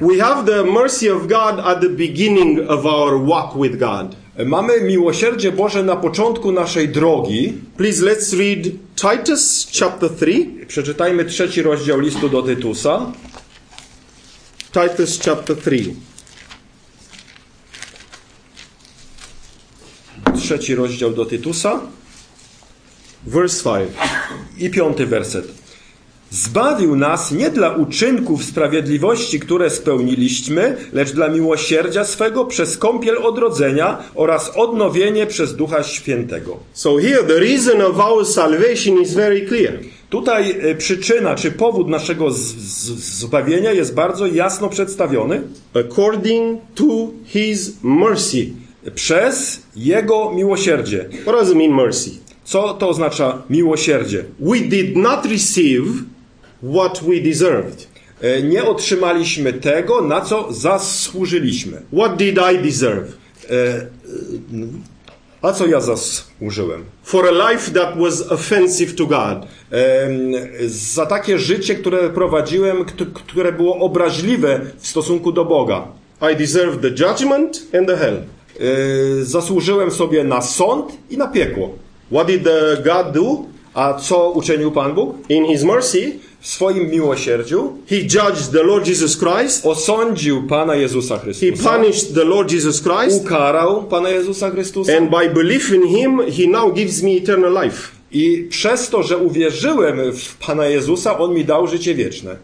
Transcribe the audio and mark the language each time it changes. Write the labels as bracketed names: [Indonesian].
[English] We have the mercy of God at the beginning of our walk with God. [Polish] Mamy miłosierdzie Boże na początku naszej drogi. [English] Please let's read Titus chapter 3. [Polish] Przeczytajmy trzeci rozdział listu do Tytusa. [English] Titus chapter 3. [Polish] Trzeci rozdział do Tytusa. [English] Verse 5. [Polish] I piąty werset. Zbawił nas nie dla uczynków sprawiedliwości, które spełniliśmy, lecz dla miłosierdzia swego przez kąpiel odrodzenia oraz odnowienie przez Ducha Świętego. [English] So here the reason of our salvation is very clear. [Polish] Tutaj przyczyna czy powód naszego zbawienia jest bardzo jasno przedstawiony. [English] According to his mercy. [Polish] Przez jego miłosierdzie. [English] What does it mean mercy? [Polish] Co to oznacza miłosierdzie? [English] We did not receive what we deserved. [Polish] Nie otrzymaliśmy tego, na co zasłużyliśmy. [English] What did I deserve? [Polish] A co ja zasłużyłem? [English] For a life that was offensive to God. [Polish] Za takie życie, które prowadziłem, które było obraźliwe w stosunku do Boga. [English] I deserved the judgment and the hell. [Polish] Zasłużyłem sobie na sąd i na piekło. [English] What did God do? [Polish] A co uczynił Pan Bóg? [English] In his mercy, [Polish] w swoim miłosierdziu, [English] he judged the Lord Jesus Christ. [Polish] Osądził Pana Jezusa Chrystusa. [English] He punished the Lord Jesus Christ. [Polish] Ukarał Pana Jezusa Chrystusa. [English] And by believing him, he now gives me eternal life. [Polish] I przez to, że uwierzyłem w Pana Jezusa, on mi dał życie wieczne.